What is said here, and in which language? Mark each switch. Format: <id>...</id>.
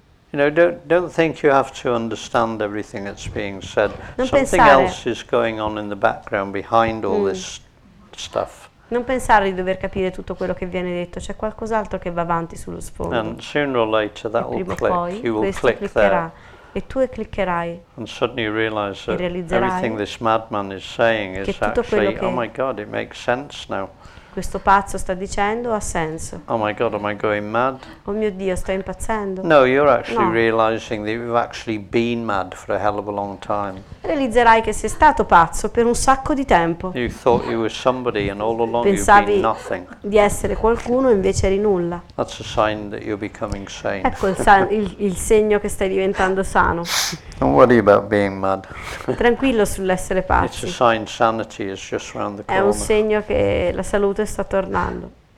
<en>You know, don't think you have to understand everything that's being said. Something else is going on in the background behind all this stuff.</en> <it>Non pensare di dover capire tutto quello che viene detto. C'è qualcos'altro che va avanti sullo sfondo.</it> <en>And sooner or later that will click. You will click there.</en> <it>E tu cliccherai.</it> <en>And suddenly you realize that everything this madman is saying is actually, oh my God, it makes sense now.</en> <it>Questo pazzo sta dicendo ha senso.</it> <en>Oh my God, am I going mad?</en> <it>Oh mio Dio, sto impazzendo.</it> <en>No, you're actually realizing that you've actually been mad for a hell of a long time.</en> <it>Realizzerai che sei stato pazzo per un sacco di tempo.</it> <en>You thought you were somebody and all along</en> <it>pensavi</it> <en>you've been nothing.</en> <it>Pensavi di essere qualcuno invece eri nulla.</it> <en>That's a sign that you're becoming sane.</en> <it>Ecco il segno che stai diventando sano.</it> <en>Don't worry about being mad.</en> <it>Tranquillo sull'essere pazzi.</it> <en>It's a sign sanity is just around the corner.</en> <it>È un segno che la salute e sta tornando.</it>